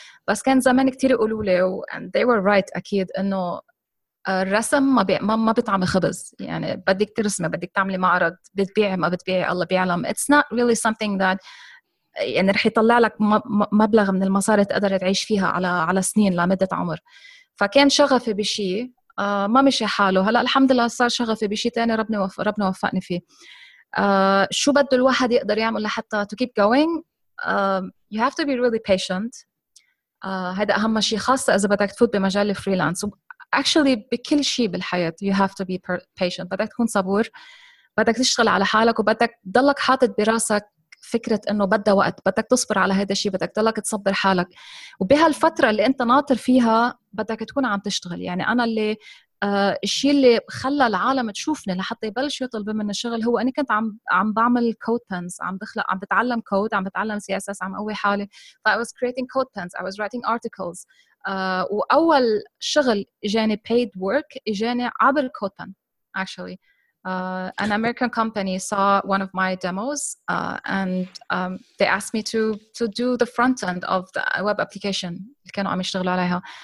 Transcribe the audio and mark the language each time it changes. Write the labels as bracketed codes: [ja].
[ar] بس كان زمان كتير يقولوا لي [en] and they were right [ar] أكيد إنه الرسم ما بيطعم خبز يعني بدك ترسمي بدك تعملي معرض بتبيع ما بتبيع الله بيعلم [en] it's not really something that [ar] يعني رح يطلع لك مبلغ من المصاري تقدر تعيش فيها على سنين لمدة عمر. فكان شغفي بشي ما مشي حاله. هلأ الحمد لله صار شغفي بشي تاني ربنا وفقني فيه. شو بده الواحد يقدر يعمل لحتى [en] to keep going you have to be really patient. [ar] هذا أهم شيء خاصة إذا بدك تفوت بمجال الفريلانس. [en] Actually [ar] بكل شيء بالحياة [en] you have to be patient. [ar] بدك تكون صبور بدك تشتغل على حالك وبدك تضلك حاطت براسك فكرة انه بده وقت بدك تصبر على هذا الشيء بدك تضلك تصبر حالك. وبهالفترة اللي انت ناطر فيها بدك تكون عم تشتغل. يعني انا اللي الشيء اللي خلى العالم تشوفني لحتى يبلش يطلب مني الشغل هو اني كنت عم بعمل كود بنز عم بخلق عم بتعلم كود عم بتعلم CSS عم قوي حالي. [en] ف I was creating code pens I was writing articles [ar] واول شغل اجاني [en] paid work [ar] اجاني عبر كود بن. [en] Actually an American company saw one of my demos and they asked me to do the front end of the web application [ar] اللي كانوا عم يشتغلوا عليها.